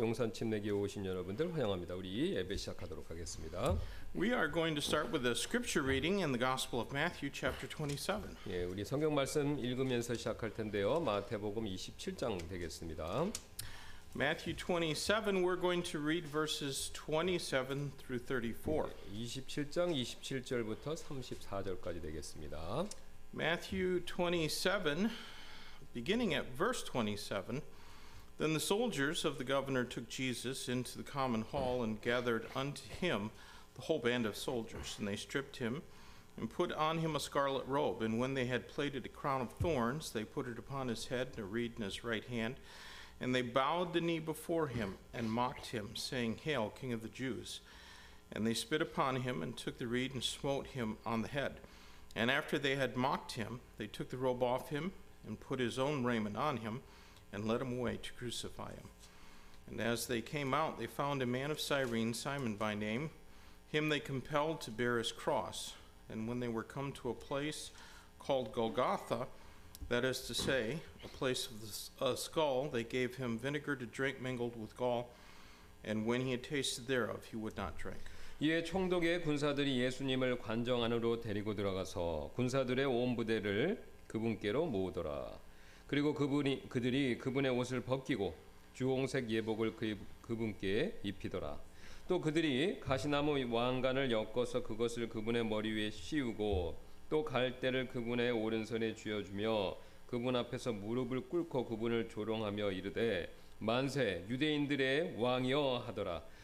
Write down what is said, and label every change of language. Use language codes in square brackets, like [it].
[ko] 용산 침례교회 오신 여러분들 환영합니다. 우리 예배 시작하도록 하겠습니다. [en] We are going to start with a scripture reading in the Gospel of Matthew chapter 27. [ko] 예, 우리 성경 말씀 읽으면서 시작할 텐데요. 마태복음 27장 되겠습니다. [en] Matthew 27, we're going to read verses 27 through 34. [ko] 27장 27절부터 34절까지 되겠습니다. [en] Matthew 27, beginning at verse 27, then the soldiers of the governor took Jesus into the common hall and gathered unto him the whole band of soldiers, and they stripped him and put on him a scarlet robe. And when they had plaited a crown of thorns, they put it upon his head and a reed in his right hand, and they bowed the knee before him and mocked him, saying, Hail, King of the Jews. And they spit upon him and took the reed and smote him on the head. And after they had mocked him, they took the robe off him and put his own raiment on him and led him away to crucify him. And as they came out, they found a man of Cyrene, Simon by name. Him they compelled to bear his cross. And when they were come to a place called Golgotha, that is to say, a place of a skull, they gave him vinegar to drink mingled with gall. And when he had tasted thereof, he would not drink. [ko] 이에 총독의 군사들이 예수님을 관정 안으로 데리고 들어가서 군사들의 온 부대를 그분께로 모으더라. 그리고 그들이 그분의 옷을 벗기고 주홍색 예복을 그분께 입히더라. 또 그들이 가시나무 왕관을 엮어서 그것을 그분의 머리 위에 씌우고 또 갈대를 그분의 오른손에 쥐어주며 그분 앞에서 무릎을 꿇고 그분을 조롱하며 이르되 만세 유대인들의 왕이여 하더라.